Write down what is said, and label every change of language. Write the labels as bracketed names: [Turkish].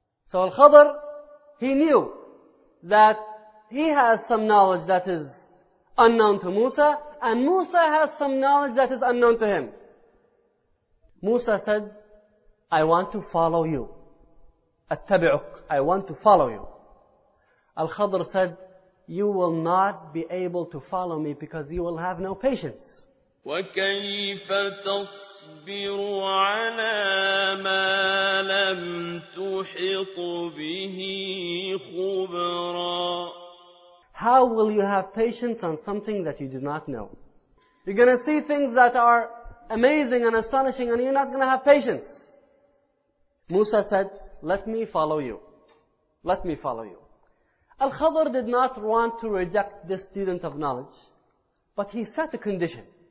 [English] So Al-Khadr, he knew that he has some knowledge that is unknown to Musa, and Musa has some knowledge that is unknown to him. Musa said, I want to follow you. [Arabic] أتبعك, [English] I want to follow you. Al-Khadr said, you will not be able to follow me because you will have no patience. [Arabic] وكيف تصبر على ما لم تحط به خبرا. [English] How will you have patience on something that you do not know? You're going to see things that are amazing and astonishing and you're not going to have patience. Musa said, let me follow you. Let me follow you. Al-Khadr did not want to reject this student of knowledge, but he set a condition.